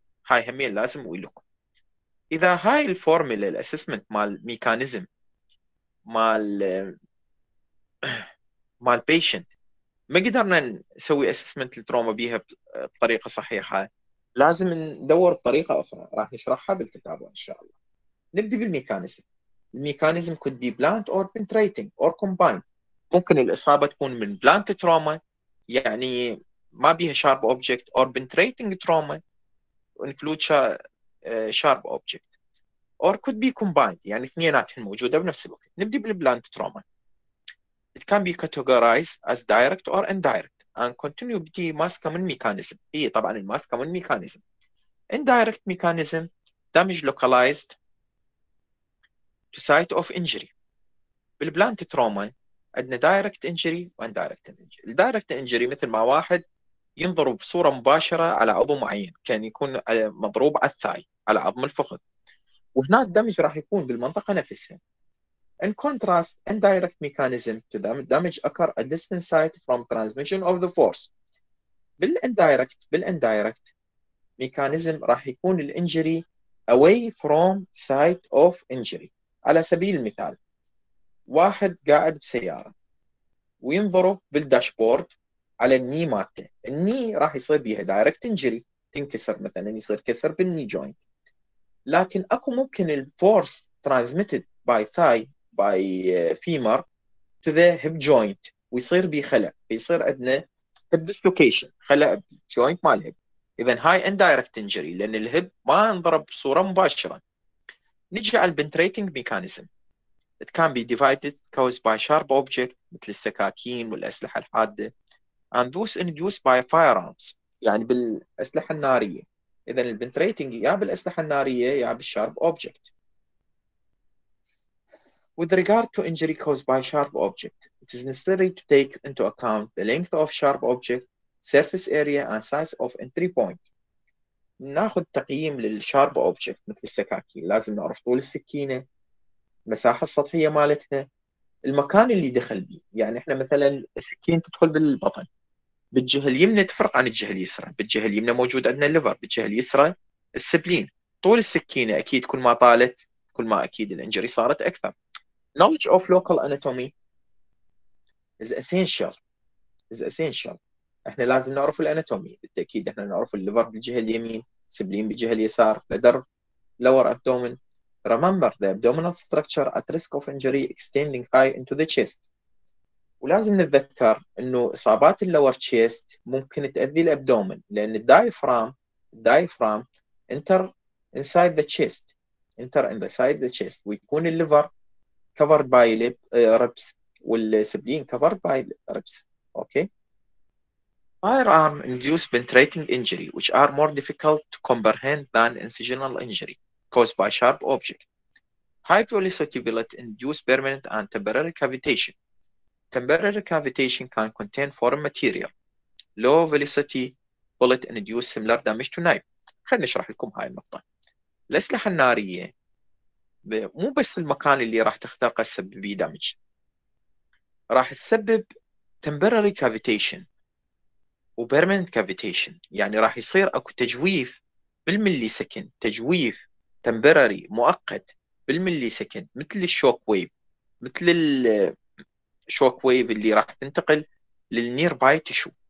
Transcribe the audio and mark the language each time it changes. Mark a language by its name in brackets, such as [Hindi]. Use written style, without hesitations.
[Arabic] هاي همين لازم اقول لكم. اذا هاي الفورمولا الاسسمنت مال ميكانيزم مال بيشنت ما قدرنا نسوي اسسمنت التروما بيها بطريقه صحيحه، لازم ندور بطريقه اخرى راح نشرحها بالكتاب ان شاء الله. نبدا بالميكانيزم. [English] الميكانيزم could be blunt or penetrating or combined. [Arabic] ممكن الاصابه تكون من [English] blunt trauma، [Arabic] يعني ما بيها [English] sharp object, or penetrating trauma include sharp object, or could be combined, [Arabic] يعني اثنيناتهم موجوده بنفس الوقت. نبدي [English] بالبلانت trauma, it can be categorize as direct or indirect and continue be most common mechanism. [Arabic] هي طبعا [English] الماس common mechanism, indirect mechanism, damage localized to site of injury. [Arabic] بالبلانت تروما عندنا direct injury وindirect injury. الدايركت injury مثل ما واحد ينضرب بصورة مباشرة على عضو معين، كان يكون مضروب على الثاي على عظم الفخذ، وهنا الدمج راح يكون بالمنطقة نفسها. [English] In contrast, indirect mechanism to damage occur at distant site from transmission of the force. [Arabic] بالindirect mechanism راح يكون الانجري [English] away from site of injury. [Arabic] على سبيل المثال، واحد قاعد بسيارة وينضرب بالداشبورد على الني ماته، الني راح يصير بيها direct injury، تنكسر مثلا، يصير كسر بالني joint. لكن اكو ممكن الفورس [English] transmitted by thigh by femur to the hip joint [Arabic] ويصير بيه خلق، يصير عندنا hip dislocation، خلق joint مال hip. اذا هاي indirect injury لان الهب ما انضرب بصوره مباشره. نجي على البنتريتنج ميكانيزم. [English] It can be divided caused by sharp object [Arabic] مثل السكاكين والاسلحه الحاده [English] and those induced by firearms، [Arabic] يعني بالاسلحه الناريه. إذا البنتريتنج يا بالأسلحة النارية يا بالشارب أوبجكت. [English] With regard to injury caused by sharp object, it is necessary to take into account the length of sharp object, surface area and size of entry point. [Arabic] ناخذ تقييم للشارب أوبجكت مثل السكاكين، لازم نعرف طول السكينة، المساحة السطحية مالتها، المكان اللي دخل به. يعني إحنا مثلا السكين تدخل بالبطن، بالجهة اليمنى تفرق عن الجهة اليسرى، بالجهة اليمنى موجود عندنا الليفر، بالجهة اليسرى السبلين. طول السكينة أكيد كل ما طالت كل ما أكيد الإنجري صارت أكثر. [English] Knowledge of local anatomy is essential. [Arabic] إحنا لازم نعرف الأناتومي، بالتأكيد إحنا نعرف الليفر بالجهة اليمين، سبلين بالجهة اليسار، بدر lower abdomen. [English] Remember the abdominal structure at risk of injury extending high into the chest. [Arabic] ولازم نتذكر انه اصابات اللور تشيست ممكن تاذي الابدومن، لان الدايفرام [English] enter inside the chest, [Arabic] انتر ان ذا سايد ذا تشيست، ويكون الليفر كفرد باي ريبس والسبلين كفرد باي ريبس. [English] Okay, firearm induce penetrating injury which are more difficult to comprehend than incisional injury caused by sharp object. High velocity bullet induce permanent and temporary cavitation. Temporary cavitation can contain foreign material. Low velocity bullet induce similar damage to knife. [Arabic] خلينا نشرح لكم هاي النقطة. الأسلحة النارية مو بس المكان اللي راح تخترق تسبب فيه دامج، راح تسبب temporary cavitation و permanent cavitation. يعني راح يصير اكو تجويف بالملي سكند، تجويف temporary مؤقت بالملي سكند، مثل الشوك ويف، مثل ال شوك ويف اللي راح تنتقل للنير باي تشو.